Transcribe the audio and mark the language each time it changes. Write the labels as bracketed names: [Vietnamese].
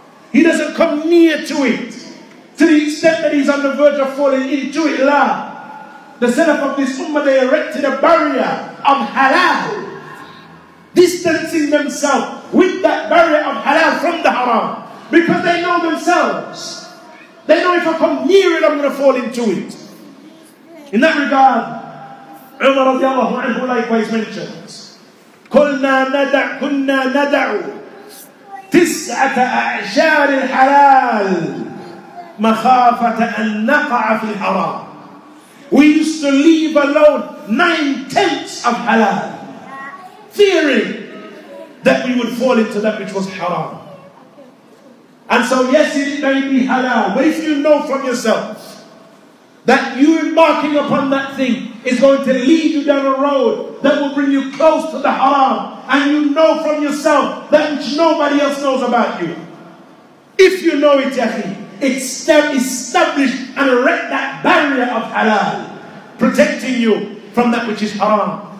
[English] He doesn't come near to it, to the extent that he's on the verge of falling into it. La. The Salaf of this Ummah, they erected a barrier of halal, distancing themselves with that barrier of halal from the haram, because they know themselves. They know if I come near it, I'm going to fall into it. In that regard, Umar radiallahu anhu likewise mentions, [Arabic] كُلْنَا نَدَعْ كُنَّا نَدَعُ تِسْعَةَ أَعْشَارِ الْحَلَالِ مَخَافَةَ أَنْ نَقَعَ فِي الْحَرَامِ. [English] We used to leave alone 9/10 of halal, fearing that we would fall into that which was haram. And so yes, it may be halal, but if you know from yourself that you embarking upon that thing is going to lead you down a road that will bring you close to the haram, and you know from yourself that which nobody else knows about you, if you know it, yaqeen, establish and erect that barrier of halal, protecting you from that which is haram.